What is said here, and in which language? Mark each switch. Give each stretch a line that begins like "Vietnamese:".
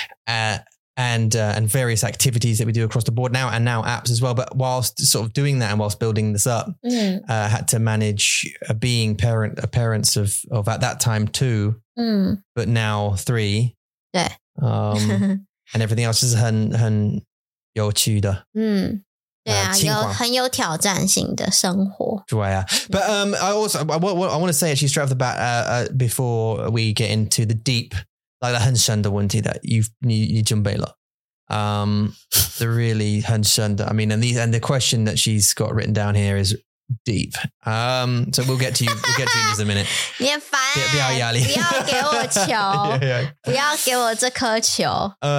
English: and various activities that we do across the board now apps as well but whilst sort of doing that and whilst building this up I had to manage being parents of at that time two but now three and everything else is
Chinese: 很有趣的对啊，有很有挑战性的生活。对啊
English: ，But I want to say actually straight off the bat, before we get into the deep, like
Chinese: 很深的问题
English: that you
Chinese: 准备了
English: the really
Chinese: 很深的
English: I mean, and the question that she's got written down here is deep. So we'll get to you in just a minute.
Chinese: 你很烦、不要压力，不要给我球，不要给我这颗球。